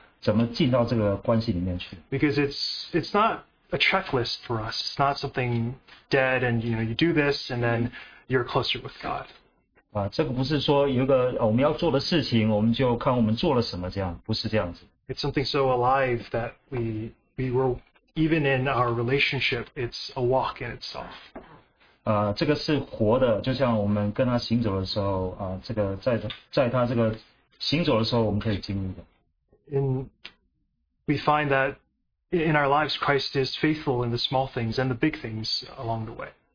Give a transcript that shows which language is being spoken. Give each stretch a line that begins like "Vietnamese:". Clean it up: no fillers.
Chinese: 这是一个很美好的，很容易让我们理解这个图画。我们能够怎么进到这个关系里面去？
English: Because it's not a checklist for us. It's not something dead, and you know you do this, and then you're closer with God.
Chinese: 这个不是说有一个我们要做的事情，我们就看我们做了什么这样，不是这样子。
English: It's something so alive that we were. Even in our relationship, it's a walk in itself.
Chinese: 这个是活的，就像我们跟他行走的时候，这个在他这个行走的时候，我们可以经历的。
English: We find that in our lives, Christ is faithful in the small things and the big things along the way.